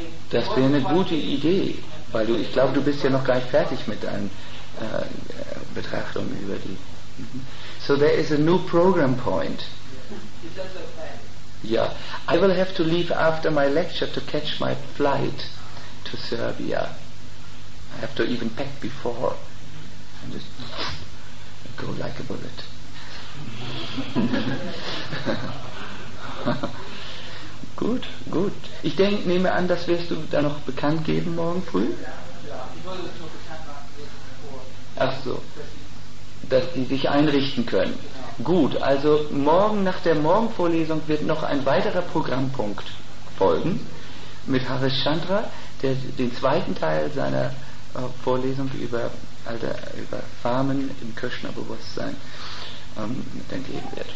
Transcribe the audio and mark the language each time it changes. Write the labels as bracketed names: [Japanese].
[German] Das wäre eine gute Idee, weil du, ich glaube, du bist ja noch gar nicht fertig mit deinen Betrachtungen über die. [English] So there is a new program point. Yeah. I will have to leave after my lecture to catch my flight to Serbia. I have to even pack before and just go like a bullet. [German] Gut, gut. Ich denke, nehme an, das wirst du da noch bekannt geben morgen früh. Ja, ich wollte es nur bekannt machen. Ach so, dass die sich einrichten können. Genau. Gut, also morgen nach der Morgenvorlesung wird noch ein weiterer Programmpunkt folgen mit Harish Chandra, der den zweiten Teil seiner Vorlesung über Farmen im Krishna-Bewusstsein dann geben wird.